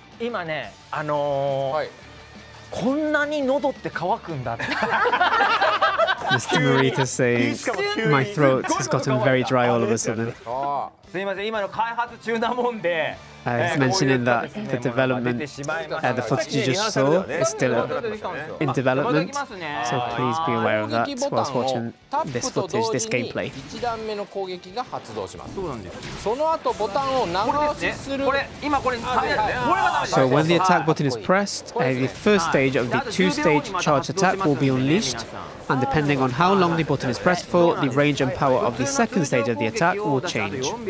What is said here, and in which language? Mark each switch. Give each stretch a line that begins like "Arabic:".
Japanese: 今ね、はい、こんなに喉って乾くんだ
English: って。Mr. Morita saying, my throat has gotten very dry all of a sudden.
Japanese: すいません、今の開発中なもんで。
English: He's mentioning that the development, the footage you just saw is still in development. So please be aware of that whilst watching this footage, this gameplay.
Japanese: 1段目の攻撃が発動します。そうなんです。その後ボタンを長押しする。これ、今これ、はい、これが大事。
English: So when the attack button is pressed, the first stage of the two-stage charge attack will be unleashed. And depending on how long the button is pressed for, the range and power of the second stage of the attack will change.